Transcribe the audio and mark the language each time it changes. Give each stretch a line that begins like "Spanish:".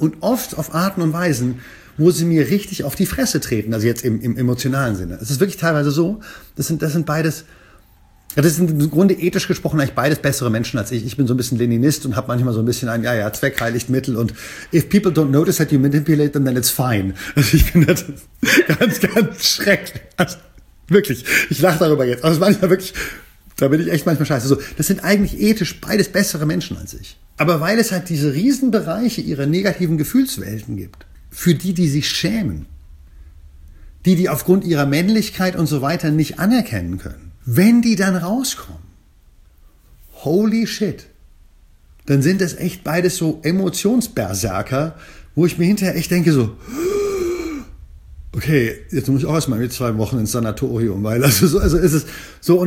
German: Und oft auf Arten und Weisen, wo sie mir richtig auf die Fresse treten, also jetzt im emotionalen Sinne. Es ist wirklich teilweise so, das sind beides. Ja, das sind im Grunde ethisch gesprochen eigentlich beides bessere Menschen als ich. Ich bin so ein bisschen Leninist und habe manchmal so ein bisschen ein, ja, ja, Zweck heiligt Mittel. Und
English: if people don't notice that you manipulate them, then it's fine.
German: Also ich finde das ganz, ganz schrecklich. Also wirklich, ich lache darüber jetzt. Aber manchmal wirklich, da bin ich echt manchmal scheiße. So, das sind eigentlich ethisch beides bessere Menschen als ich. Aber weil es halt diese Riesenbereiche ihrer negativen Gefühlswelten gibt, für die sich schämen, die aufgrund ihrer Männlichkeit und so weiter nicht anerkennen können, wenn die dann rauskommen,
English: holy shit,
German: dann sind das echt beides so Emotionsberserker, wo ich mir hinterher echt denke so, okay, jetzt muss ich auch erstmal mit 2 Wochen ins Sanatorium, weil also ist es so.